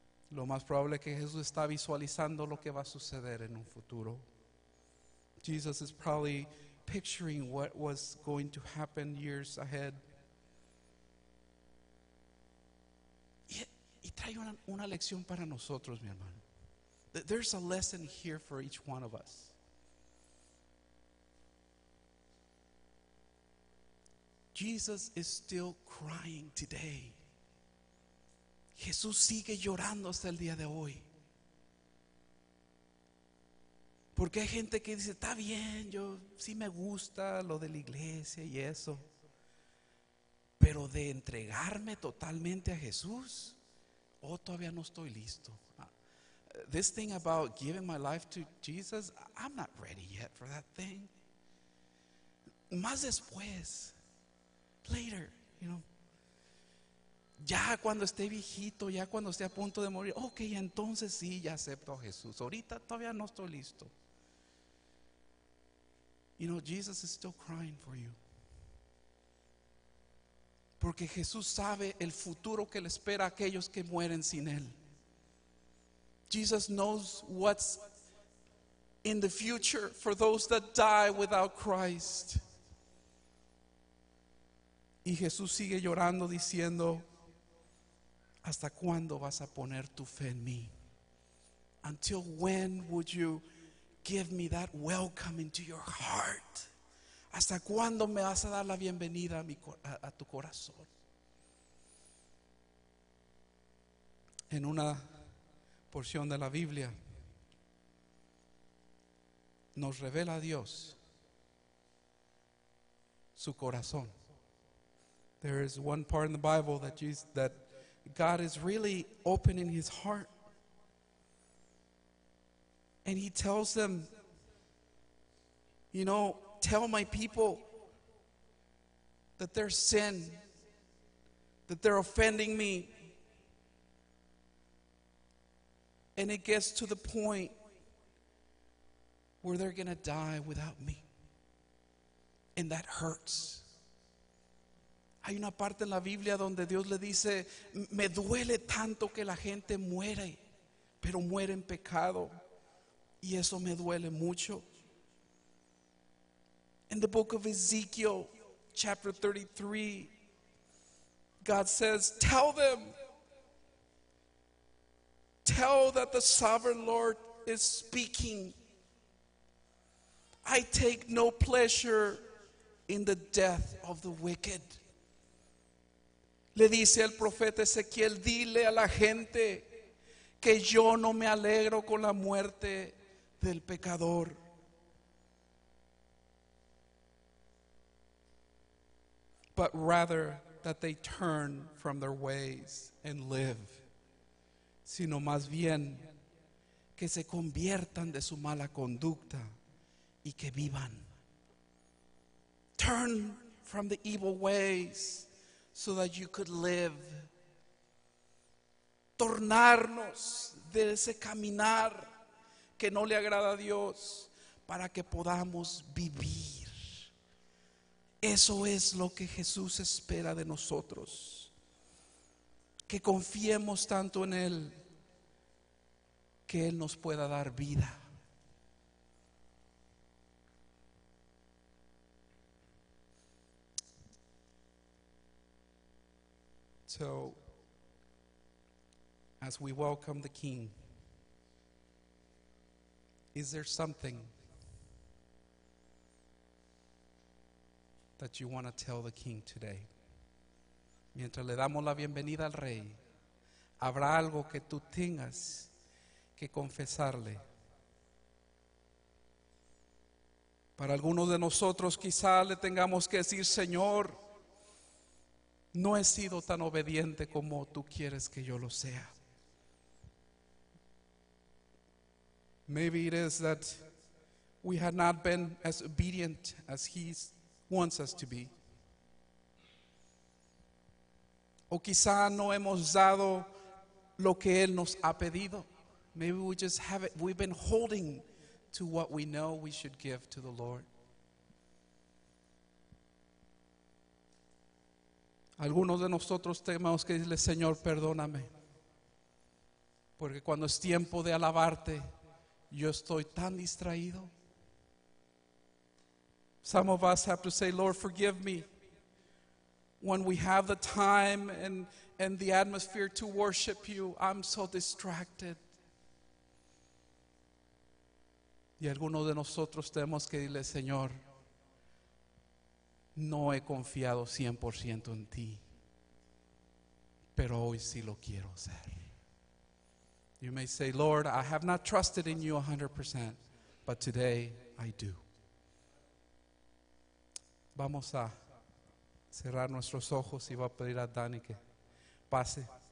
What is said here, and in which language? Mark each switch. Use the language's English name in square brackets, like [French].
[Spanish] Lo más probable es que Jesús está visualizando lo que va a suceder en un futuro. [English] Jesus is probably picturing what was going to happen years ahead. [Spanish] Y trae una lección para nosotros, mi hermano. [English] There's a lesson here for each one of us. Jesus is still crying today. [Spanish] Jesús sigue llorando hasta el día de hoy. Porque hay gente que dice, está bien, yo sí me gusta lo de la iglesia y eso. Pero de entregarme totalmente a Jesús, oh, todavía no estoy listo. [English] This thing about giving my life to Jesus, I'm not ready yet for that thing. [Spanish] Más después, [English] later, you know. [Spanish] Ya cuando esté viejito, ya cuando esté a punto de morir, okay, entonces sí, ya acepto a Jesús. Ahorita todavía no estoy listo. [English] You know, Jesus is still crying for you. [Spanish] Porque Jesús sabe el futuro que le espera a aquellos que mueren sin Él. [English] Jesus knows what's in the future for those that die without Christ. [Spanish] Y Jesús sigue llorando diciendo, ¿hasta cuándo vas a poner tu fe en mí? [English] Until when would you give me that welcome into your heart? [Spanish] ¿Hasta cuándo me vas a dar la bienvenida a tu corazón? En una porción de la Biblia nos revela a Dios su corazón. [English] There is one part in the Bible that God is really opening His heart, and He tells them, you know, tell my people that their sin, that they're offending me. And it gets to the point where they're going to die without me. And that hurts. [Spanish] Hay una parte en la Biblia donde Dios le dice, me duele tanto que la gente muere, pero muere en pecado. Y eso me duele mucho. [English] In the book of Ezekiel, chapter 33, God says, tell them, tell that the sovereign Lord is speaking. I take no pleasure in the death of the wicked. [Spanish] Le dice el profeta Ezequiel, dile a la gente que yo no me alegro con la muerte del pecador. [English] But rather that they turn from their ways and live. [Spanish] Sino más bien que se conviertan de su mala conducta y que vivan. [English] Turn from the evil ways so that you could live. [Spanish] Tornarnos de ese caminar que no le agrada a Dios para que podamos vivir. Eso es lo que Jesús espera de nosotros. Que confiemos tanto en Él que Él nos pueda dar vida. [English] So, as we welcome the King, is there something that you want to tell the King today? [Spanish] Mientras le damos la bienvenida al Rey, ¿habrá algo que tú tengas que confesarle? Para algunos de nosotros quizá le tengamos que decir, Señor, no he sido tan obediente como tú quieres que yo lo sea. [English] Maybe it is that we have not been as obedient as He wants us to be. [Spanish] O quizá no hemos dado lo que Él nos ha pedido. [English] Maybe we just have it. We've been holding to what we know we should give to the Lord. [Spanish] Algunos de nosotros tenemos que decirle, Señor, perdóname. Porque cuando es tiempo de alabarte, yo estoy tan distraído. [English] Some of us have to say, Lord, forgive me. When we have the time and the atmosphere to worship you, I'm so distracted. [Spanish] Y alguno de nosotros tenemos que decirle, Señor, no he confiado 100% en ti, pero hoy sí lo quiero hacer. [English] You may say, Lord, I have not trusted in you 100%, but today I do. [Spanish] Vamos a cerrar nuestros ojos y va a pedir a Dani que pase.